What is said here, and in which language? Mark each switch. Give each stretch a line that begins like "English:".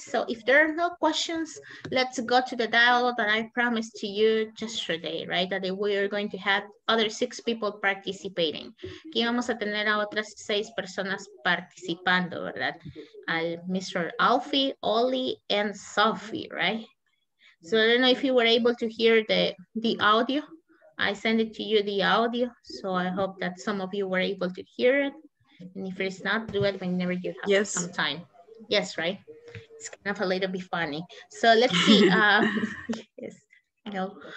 English: So if there are no questions, let's go to the dialogue that I promised to you yesterday, right? That we are going to have other 6 people participating.
Spanish: Aquí vamos a tener a otras 6 personas participando, ¿verdad?
English: Al Mr. Alfie, Ollie, and Sophie, right? So I don't know if you were able to hear the audio. I sent it to you, the audio. So I hope that some of you were able to hear it. And if it's not, do it whenever you have some time. Yes, right? It's kind of a little bit funny. So let's see. yes. No.